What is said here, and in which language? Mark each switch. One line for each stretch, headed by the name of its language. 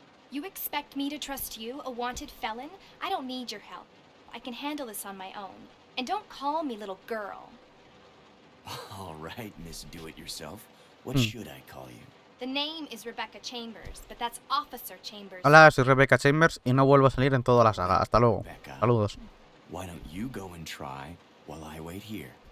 English: You expect me to trust you, a wanted felon? I don't need your help. I can handle this on my own. And don't call me little girl. All right, Miss Do-It-Yourself. What should I call you? The name is Rebecca Chambers, but that's Officer Chambers.
Spanish: Hola, soy Rebecca Chambers y no vuelvo a salir en toda la saga. Hasta luego. Rebecca, saludos.
English: Why don't you go and try while I wait here?